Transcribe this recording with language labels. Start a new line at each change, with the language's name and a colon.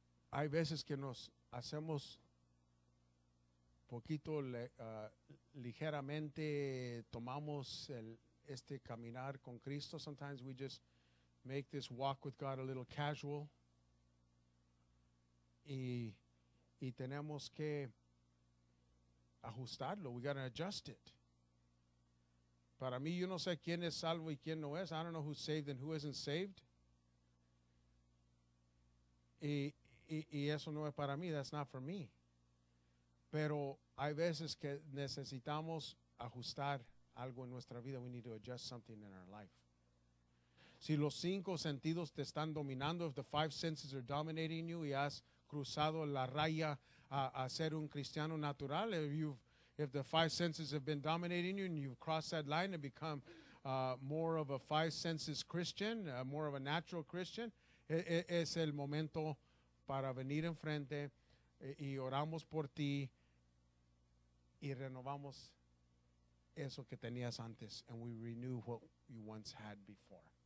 Spanish: Hay veces que nos hacemos poquito ligeramente tomamos este caminar con Cristo.
English: Sometimes we just make this walk with God a little casual.
Spanish: Y tenemos que ajustarlo.
English: We got to adjust it.
Spanish: Para mí, yo no sé quién es salvo y quién no es.
English: I don't know who's saved and who isn't saved.
Spanish: Y eso no es para mí.
English: That's not for me.
Spanish: Pero hay veces que necesitamos ajustar algo en nuestra vida.
English: We need to adjust something in our life. Si los cinco sentidos te están dominando, if the five senses are dominating you,
Spanish: y has cruzado la raya a ser un cristiano natural,
English: if the five senses have been dominating you and you've crossed that line and become more of a five senses Christian, more of a natural Christian,
Spanish: es el momento para venir enfrente y oramos por ti y renovamos eso que tenías antes,
English: and we renew what you once had before.